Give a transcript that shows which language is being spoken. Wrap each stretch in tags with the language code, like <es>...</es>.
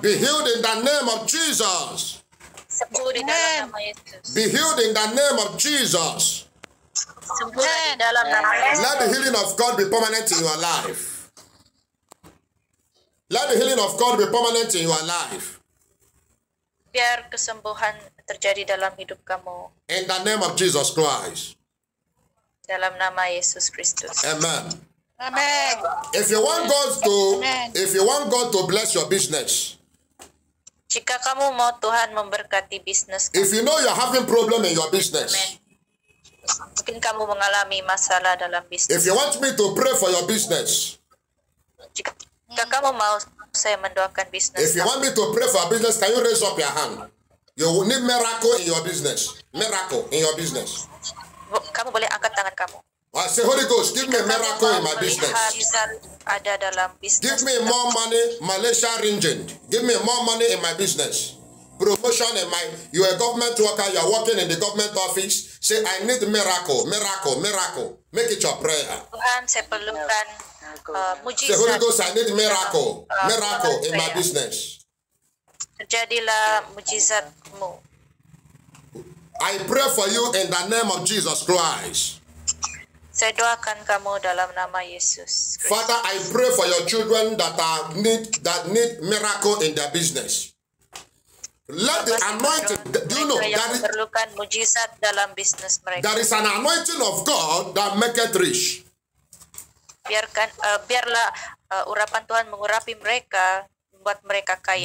<en>Be healed in the name of Jesus. Amen. Be healed in the name of Jesus. Amen. Let the healing of God be permanent in your life. Let the healing of God be permanent in your life.</en> <id>Biar kesembuhan terjadi dalam hidup kamu.</id> <en>In the name of Jesus Christ.</en> <id>Dalam nama Yesus Kristus.</id> <en>Amen. Amen. If you want God to, Amen. If you want God to bless your business.</en> <id>Jika kamu mau Tuhan memberkati bisnis kamu.</id> <en>If you know you're having problem in your business. Amen.</en> <id>Mungkin kamu mengalami masalah dalam bisnis.</id> <en>If you want me to pray for your business.</en> <id>Jika kamu mau saya mendoakan bisnis.</id> <en>If you want me to pray for a business, can you raise up your hand? You need miracle in your business. Miracle in your business.</en> <id>Kamu boleh angkat tangan kamu.</id> <en>I say, Holy Ghost, give me a miracle in my business.</en> <id>Ada dalam business.</id> <en>Give me more money, Malaysia ringgit. Give me more money in my business. Promotion in my. You are a government worker. You are working in the government office. Say, I need miracle, miracle, miracle. Make it your prayer.</en> <id>Tuhan, saya perlukan.</id> <en>Say, Holy Ghost, I need miracle, miracle in my business.</en> <id>Terjadilah mujizatmu.</id> <en>I pray for you in the name of Jesus Christ.</en> <id>Saya doakan kamu dalam nama Yesus.</id> <en>Father, I pray for your children that need miracle in their business. Let the anointing. Do you know that</en> <id>perlukan mujizat dalam bisnis mereka?</id> <en>There is an anointing of God that make it rich.</en> <id>Biarlah urapan Tuhan mengurapi mereka, membuat mereka kaya.</id>